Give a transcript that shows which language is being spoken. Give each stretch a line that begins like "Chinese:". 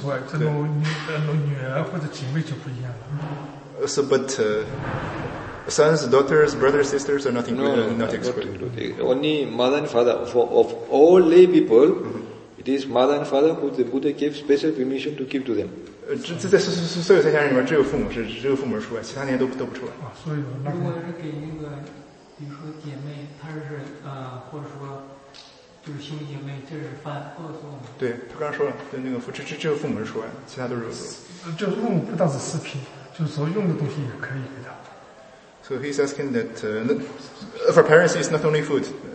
Chinese: 这种女儿或者姐妹就不一样了。
English: But sons, daughters, brothers, sisters are not included. Only mother and father. Of all lay people, it is mother and father who the Buddha gave special permission to give to them.
Chinese: 所有在家人里面，只有父母是除外，其他那些都不除外。啊，所以如果是给那个，比如说姐妹，她是或者说。就是兄弟姐妹，这是犯恶作吗？对，他刚刚说了，对那个这个父母是除外，其他都是恶作。就是父母不但是四品，就是说用的东西也可以给他。
English: So he's asking that for parents, it's not only food,